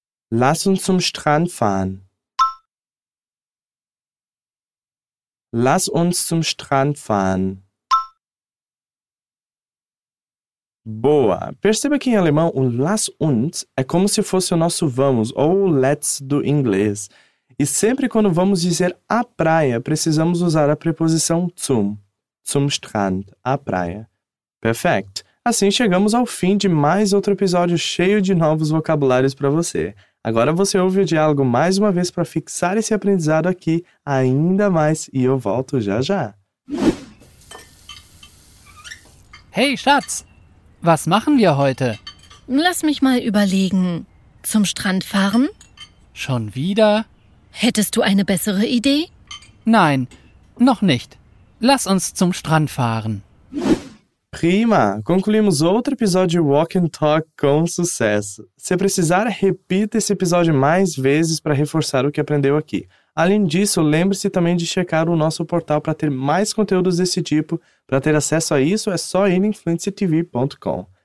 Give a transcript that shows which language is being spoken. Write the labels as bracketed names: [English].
[German] Lass uns zum Strand fahren. Lass uns zum Strand fahren. [Portuguese] Boa! Perceba que em alemão o [German] lass uns [Portuguese] é como se fosse o nosso vamos ou o let's do inglês. E sempre quando vamos dizer a praia, precisamos usar a preposição zum. [German] Zum Strand, [Portuguese] a praia. [English] Perfect! [Portuguese] Assim chegamos ao fim de mais outro episódio cheio de novos vocabulários para você. Agora você ouve o diálogo mais uma vez para fixar esse aprendizado aqui ainda mais e eu volto já já. [German] Hey Schatz, was machen wir heute? Lass mich mal überlegen. Zum Strand fahren? Schon wieder? Hättest du eine bessere Idee? Nein, noch nicht. Lass uns zum Strand fahren. Prima! [Portuguese] Concluímos outro episódio de Walk and Talk com sucesso. Se precisar, repita esse episódio mais vezes para reforçar o que aprendeu aqui. Além disso, lembre-se também de checar o nosso portal para ter mais conteúdos desse tipo. Para ter acesso a isso, é só ir em fluencytv.com.